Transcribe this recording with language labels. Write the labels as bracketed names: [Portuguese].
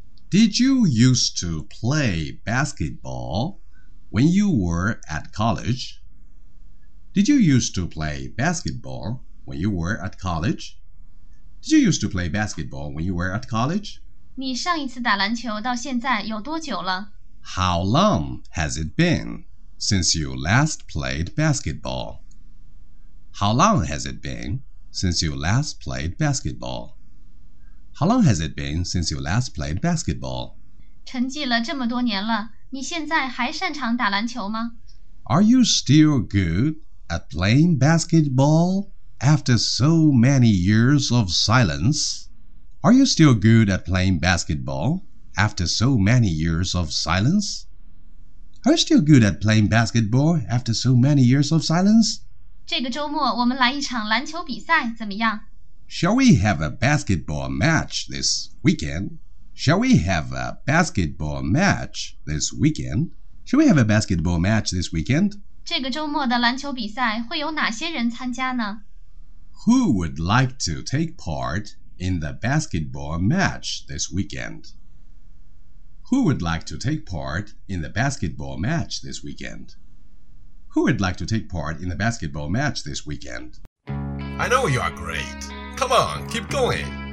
[English] Did you used to play basketball when you were at college? Did you used to play basketball? When you were at college? Did you used to play basketball when you were at college? [Chinese] 你上一次打篮球到现在有多久了? [English] How long has it been since you last played basketball? How long has it been since you last played basketball? How long has it been since you last played basketball? [Chinese] 沉寂了这么多年了,你现在还擅长打篮球吗? [English] Are you still good at playing basketball? After so many years of silence, are you still good at playing basketball? After so many years of silence, are you still good at playing basketball? After so many years of silence, [Chinese] 这个周末我们来一场篮球比赛怎么样？ [English] Shall we have a basketball match this weekend? Shall we have a basketball match this weekend? Shall we have a basketball match this weekend? [Chinese] 这个周末的篮球比赛会有哪些人参加呢？ [English] Who would like to take part in the basketball match this weekend? Who would like to take part in the basketball match this weekend? Who would like to take part in the basketball match this weekend? I know you are great. Come on, keep going.